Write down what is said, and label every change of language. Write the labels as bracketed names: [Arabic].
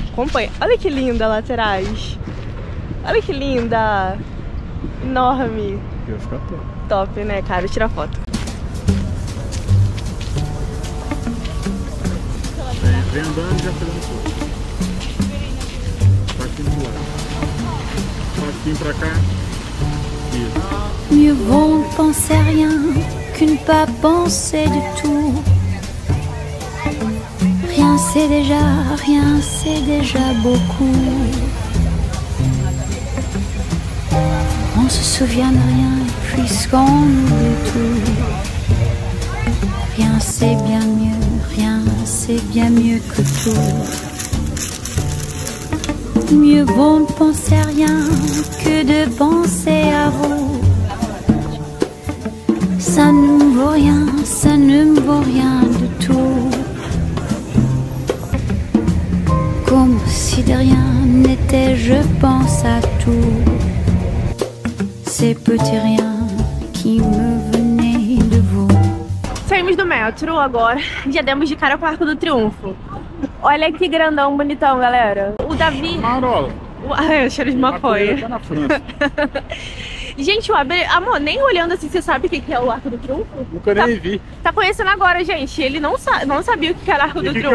[Portuguese] Acompanha. Olha que linda laterais. Olha que linda. Enorme. Top, né, cara? Tira foto. Vem andando e já fazendo foto. Partindo do lado. Partindo pra cá. Isso. [French] Mieux vaut penser rien que ne pas penser du tout. Rien c'est déjà, rien c'est déjà beaucoup. On se souvient de rien puisqu'on oublie tout. Rien c'est bien mieux que tout. Mieux vaut ne penser à rien que de penser à vous. Ça ne me vaut rien de tout. Comme si de rien n'était, je pense à tout. Ces petits riens qui me venaient de vous. [Portuguese] Saímos do metrô agora. Já demos de cara com o Arco do Triunfo. Olha que grandão, bonitão, galera. O Davi. Marola. Cheiro de maconha. Gente, o Abreu, amor, nem olhando assim, você sabe o que é o Arco do Triunfo? Nunca nem vi. Tá conhecendo agora, gente. Ele não sabia o que era o Arco do Triunfo.